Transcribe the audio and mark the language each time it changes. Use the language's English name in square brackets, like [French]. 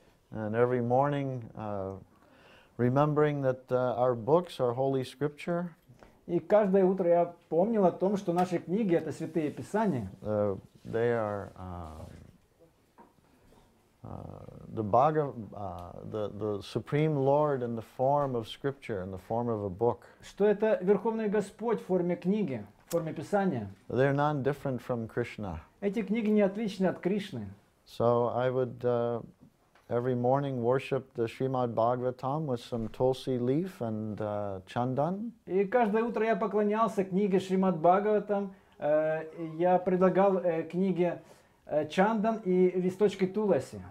[English] And every morning, remembering that our books are holy scripture. [Russian] И каждое утро я помнил о том, что наши книги это святые писания. [English] They are the Bhagav, the supreme Lord in the form of scripture, in the form of a book. [Russian] Что это верховный Господь в форме книги, в форме писания? [English] They are non-different from Krishna. [Russian] Эти книги не отличны от Кришны. [English] So I would. Every morning worship the Srimad Bhagavatam with some tulsi leaf and chandan. [Russian] И каждое утро я поклонялся книге Шримад Бхагаватам. Я предлагал книге чандан и листочки туласи.